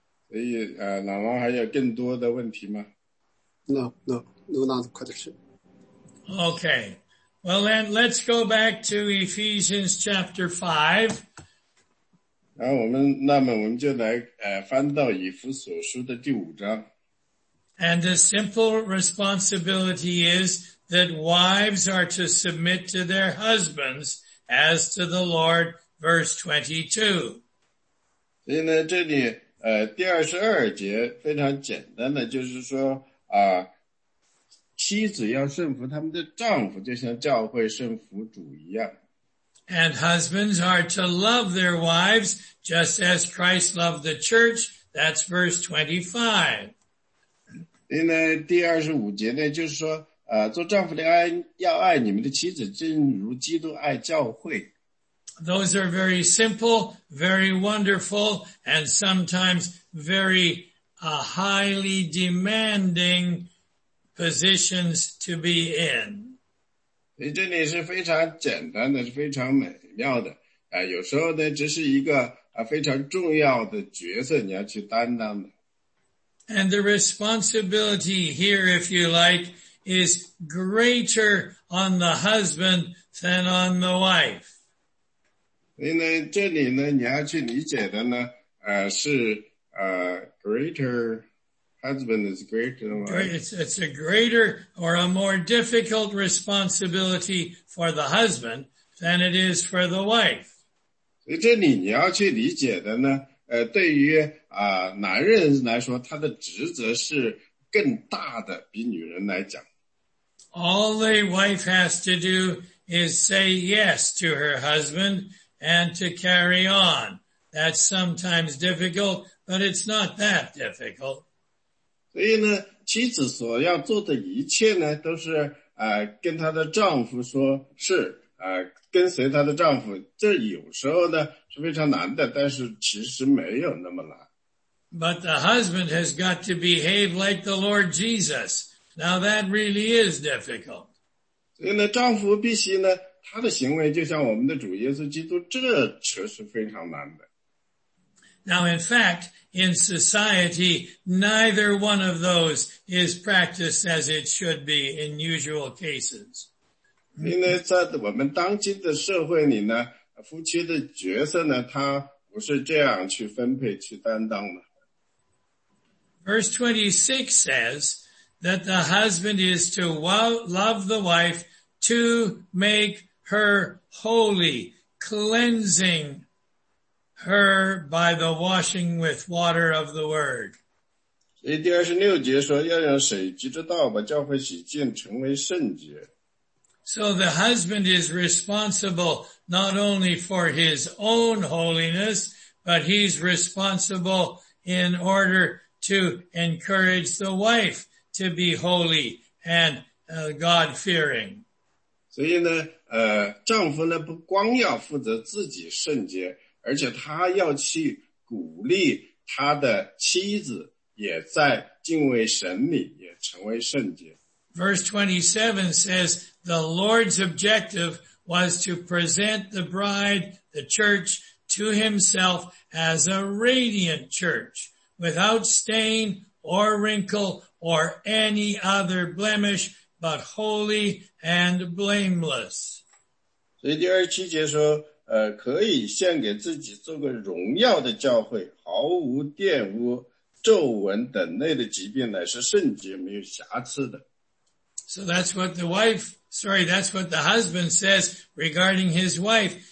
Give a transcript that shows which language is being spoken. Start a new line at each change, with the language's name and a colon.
Chinese: 所以老王还有更多的问题吗？
English: No, not question. Okay. Well then, let's go back to Ephesians chapter 5.
Chinese: 那么我们就来翻到以弗所书的第五章。
English: And the simple responsibility is that wives are to submit to their husbands as to the Lord, verse 22.
Chinese: 所以呢，这里第22节非常简单的，就是说，妻子要顺服他们的丈夫，就像教会顺服主一样。
English: And husbands are to love their wives just as Christ loved the church, That's verse 25.
Chinese: 第25节呢, 就是说, 做丈夫的爱, 要爱你们的妻子, 正如基督爱教会。
English: Those are very simple, very wonderful, and sometimes very highly demanding positions to be in.
Chinese: 这里是非常简单的, 非常美妙的, 有时候呢, 这是一个, 非常重要的角色, 你要去担当的。
English: And the responsibility here, if you like, is greater on the husband than on the wife.
Chinese: 这里呢, 你要去理解的呢, 是,
English: greater, husband is greater than wife. It's a greater or a more difficult responsibility for the husband than it is for the wife.
Chinese: 所以这里你要去理解的呢, 对于男人来说, 他的职责是更大的, 比女人来讲。
English: All the wife has to do is say yes to her husband and to carry on. That's sometimes difficult, but it's not that difficult.
Chinese: 所以呢, 妻子所要做的一切呢, 都是, 跟她的丈夫说是, 跟随他的丈夫, 这有时候呢, 是非常难的, 但是其实没有那么难。
English: But the husband has got to behave like the Lord Jesus. Now that really is difficult.
Chinese: 所以呢, 丈夫必须呢, 他的行为就像我们的主耶稣基督, 这确实非常难的。
English: Now in fact, in society, neither one of those is practiced as it should be in usual cases.
Chinese: 因为在我们当今的社会里呢, 夫妻的角色呢, 他不是这样去分配去担当的。
English: Verse 26 says that the husband is to love the wife to make her holy, cleansing her by the washing with water of the word.
Chinese: 所以第26节说, 要用水基督道吧, 教会洗净成为圣洁。
English: So the husband is responsible not only for his own holiness, but he's responsible in order to encourage the wife to be holy and God-fearing.
Chinese: 所以呢, 丈夫呢, 不光要负责自己圣洁, 而且他要去鼓励他的妻子也在敬畏神里, 也成为圣洁。
English: Verse 27 says, the Lord's objective was to present the bride, the church, to himself as a radiant church, without stain or wrinkle or any other blemish, but holy and blameless.
Chinese: 所以第27节说, 可以献给自己做个荣耀的教会, 毫无玷污, 皱纹等内的疾病乃是圣洁, 没有瑕疵的。
English: So that's what the wife, sorry, that's what the husband says regarding his wife.